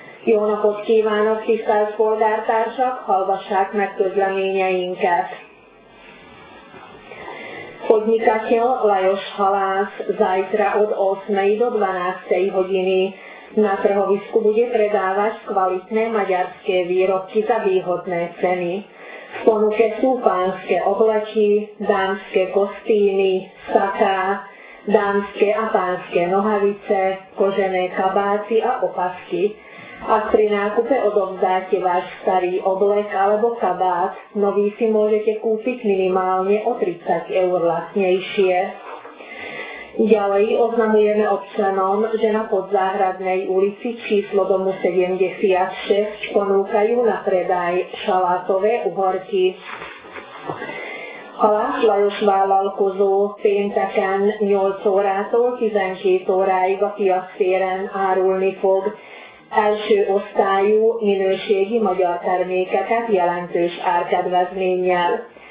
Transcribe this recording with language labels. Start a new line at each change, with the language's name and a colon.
Hungarian: Jóna podkívánok, tisztelt polgártársak, hallgassák meg közleményeinket.
Slovak: Podnikateľ Lajos Halász zajtra od 8. do 12. hodiny na trhovisku bude predávať kvalitné maďarské výrobky za výhodné ceny. V ponuke sú pánske oblečky, dámske kostýmy, saká, dámske a pánske nohavice, kožené kabáty a opasky. Ak pri nákupe odovzdáte váš starý oblek alebo kabát, nový si môžete kúpiť minimálne o 30 eur lacnejšie. Ďalej oznamujeme občanom, že na Podzáhradnej ulici číslo domu 76 ponúkajú na predaj šalátové uhorky.
Hungarian: Halász Lajos vállalkozó pénteken 8 órától 12 óráig a piacféren árulni fog első osztályú minőségi magyar termékeket jelentős árkedvezménnyel.